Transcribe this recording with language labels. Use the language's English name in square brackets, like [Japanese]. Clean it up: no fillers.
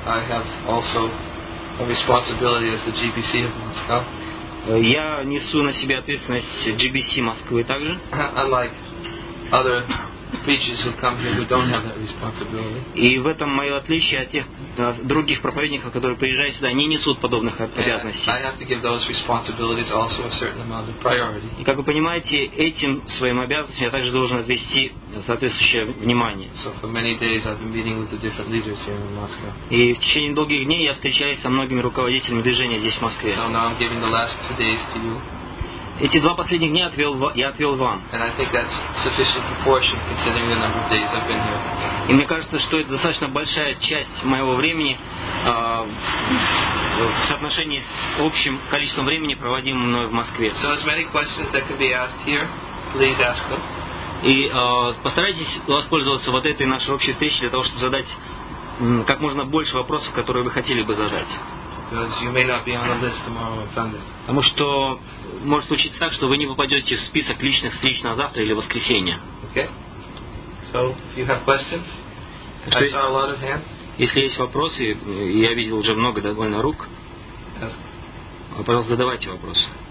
[English] I have also a responsibility as the GBC of Moscow. [Russian] Я несу на себе ответственность GBC Москвы также. [English] Unlike other preachers who come here, we don't have that responsibility. [Russian] И в этом мое отличие от тех других проповедников, которые приезжают сюда, они несут подобных обязанностей. [English] I have to give those responsibilities also a certain amount of priority. [Russian] И как вы понимаете, этим своим обязанностям я также должен отвести соответствующее внимание. [English] So for many days I've been meeting with the different leaders here in Moscow. [Russian] И в течение долгих дней я встречаюсь со многими руководителями движения здесь в Москве. [English] So now I'm giving the last 2 days to you. [Russian] Эти 2 последних дня я отвел вам. [English] And I think that's sufficient proportion considering the number of days I've been here. [Russian] И мне кажется, что это достаточно большая часть моего времени в соотношении с общим количеством времени, проводимым мной в Москве. [English] So as many questions that can be asked here, please ask them. [Russian] И постарайтесь воспользоваться вот этой нашей общей встречей для того, чтобы задать как можно больше вопросов, которые вы хотели бы задать. [English] Because you may not be on the list tomorrow on Sunday. [Russian] Потому что может случиться так, что вы не попадете в список личных встреч на завтра или воскресенье. [English] Okay. So, if you have questions, I saw a lot of hands. [Russian] Если есть вопросы, я видел уже много довольно рук. [English] Yes. [Russian] Пожалуйста, задавайте вопросы.